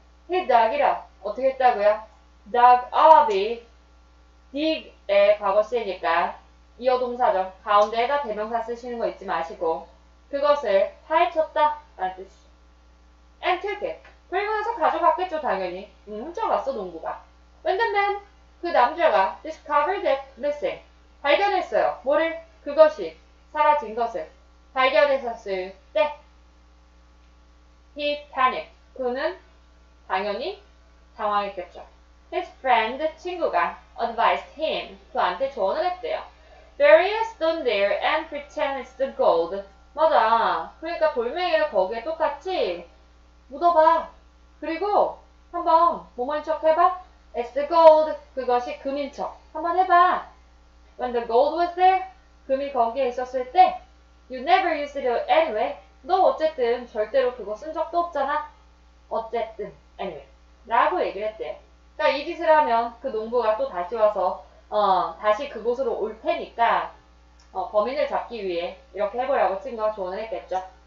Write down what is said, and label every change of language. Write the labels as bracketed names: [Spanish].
[English] He dug it up. [Korean] 어떻게 했다고요? [English] Dug up it. [Korean] Dig의 과거시니까 이어 동사죠. 가운데에다 대명사 쓰시는 거 잊지 마시고 그것을 파헤쳤다라는 뜻이죠. [English] And took it. [Korean] 그리고 나서 가져갔겠죠, 당연히. 훔쳐갔어, 농부가. [English] When the man, [Korean] 그 남자가 [English] discovered it missing. [Korean] 발견했어요. 뭐를? 그것이 사라진 것을 발견했었을 때 [English] He panicked. [Korean] 그는 당연히 당황했겠죠. [English] His friend, [Korean] 친구가 [English] advised him. [Korean] 그한테 조언을 했대요. [English] Bury a stone there and pretend it's the gold. [Korean] 맞아. 그러니까 돌멩이를 거기에 똑같이 묻어봐. 그리고 한번 몸을 척 해봐. [English] It's the gold. [Korean] 그것이 금인 척. 한번 해봐. [English] When the gold was there, [Korean] 금이 거기에 있었을 때, [English] you never used it anyway. [Korean] 너 어쨌든 절대로 그거 쓴 적도 없잖아. 어쨌든, anyway. 라고 얘기를 했대. 그러니까 이 짓을 하면 그 농부가 또 다시 와서, 다시 그곳으로 올 테니까, 범인을 잡기 위해 이렇게 해보라고 친구가 조언을 했겠죠.